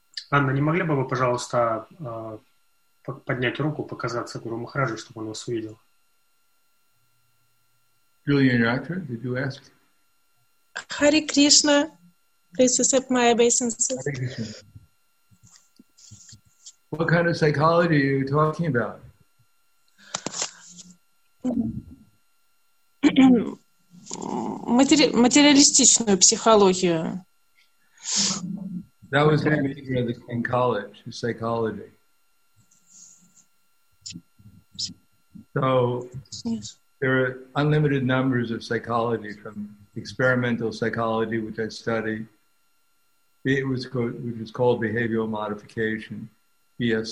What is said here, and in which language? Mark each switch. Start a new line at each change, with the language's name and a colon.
Russian: Anna, не могли бы вы, пожалуйста, поднять руку, показаться Гуру Махараджу, чтобы он вас увидел?
English: Julian Rector, did you ask? Hare Krishna. Please accept my obeisances. What kind of psychology are you talking about?
Russian: Материалистичную психологию.
English: That was my major in college, psychology. So there are unlimited numbers of psychology, from experimental psychology, which I studied. It was called behavioral modification, B.S.